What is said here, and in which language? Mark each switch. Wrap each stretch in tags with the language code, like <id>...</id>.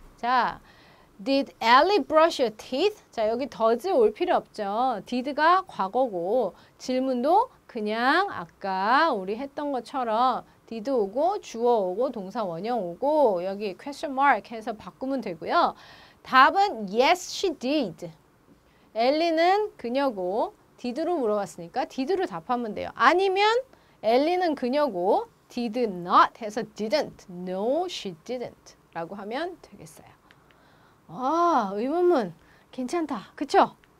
<en>자, Did Ellie brush her teeth?</en> <ko>자, 여기 does 올 필요 없죠. Did가 과거고 질문도 그냥 아까 우리 했던 것처럼 did 오고 주어 오고 동사 원형 오고 여기 question mark 해서 바꾸면 되고요.</ko> <en>답은 yes she did.</en> <ko>엘리는 그녀고 did로 물어봤으니까 did로 답하면 돼요. 아니면 엘리는 그녀고 did not 해서 didn't.</ko> <en>No she didn't</en> <ko>라고 하면 되겠어요. 아, 의문문 괜찮다. 그쵸?</ko>